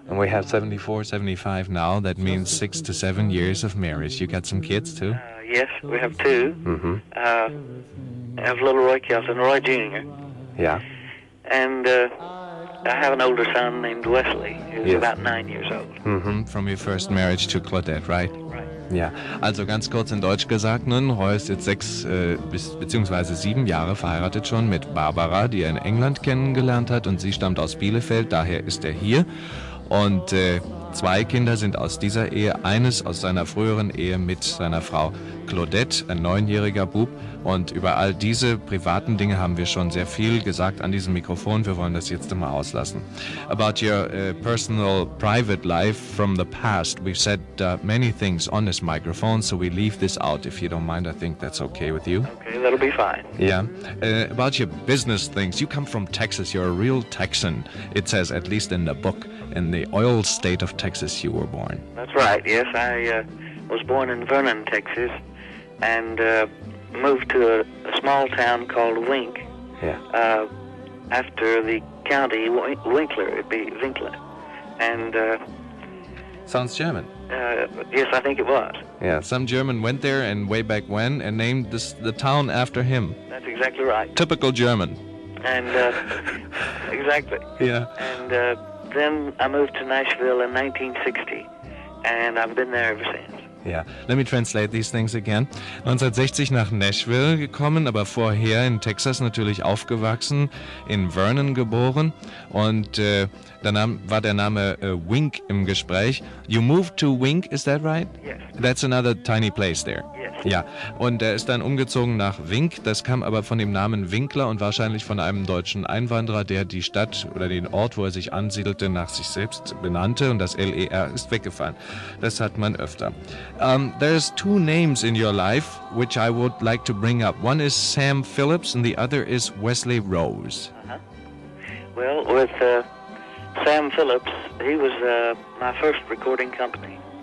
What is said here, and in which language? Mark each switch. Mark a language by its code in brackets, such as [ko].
[en] And we have 74, 75 now. That means 6 to 7 years of marriage. You got some kids too? Yes, we have two. I have little Roy Kelton, Roy Jr. Yeah. And I have an older son named Wesley, who's about 9 years old. Mm-hmm. From your first marriage to Claudette, right? Right. [de] Ja, also ganz kurz in Deutsch gesagt, nun, Roy ist jetzt 6 beziehungsweise 7 Jahre verheiratet schon mit Barbara, die er in England kennengelernt hat, und sie stammt aus Bielefeld, daher ist er hier. Und 2 Kinder sind aus dieser Ehe, eines aus seiner früheren Ehe mit seiner Frau Claudette, ein 9-jähriger Bub. Und über all diese privaten Dinge haben wir schon sehr viel gesagt an diesem Mikrofon. Wir wollen das jetzt immer auslassen. [en] About your personal private life from the past, we've said many things on this microphone, so we leave this out. If you don't mind, I think that's okay with you. Okay, that'll be fine. Yeah. About your business things, you come from Texas. You're a real Texan. It says, at least in the book, in the oil state of Texas you were born. That's right. Yes, I was born in Vernon, Texas, and moved to a small town called Wink. Yeah. After the county Winkler, it'd be Winkler. And sounds German. Yes, I think it was. Yeah, some German went there and way back when and named this the town after him. That's exactly right. Typical German. And exactly. Yeah. And then I moved to Nashville in 1960, and I've been there ever since. Ja, let me translate these things again. [de] 1960 nach Nashville gekommen, aber vorher in Texas natürlich aufgewachsen, in Vernon geboren. Und dann war der Name Wink im Gespräch. [en] You moved to Wink, is that right? Yes. That's another tiny place there. Yes. [de] Ja, und er ist dann umgezogen nach Wink. Das kam aber von dem Namen Winkler und wahrscheinlich von einem deutschen Einwanderer, der die Stadt oder den Ort, wo er sich ansiedelte, nach sich selbst benannte. Und das L-E-R ist weggefallen. Das hat man öfter. [en] There's two names in your life, which I would like to bring up. One is Sam Phillips, and the other is Wesley Rose. Uh-huh. Well, with Sam Phillips, he was my first recording company.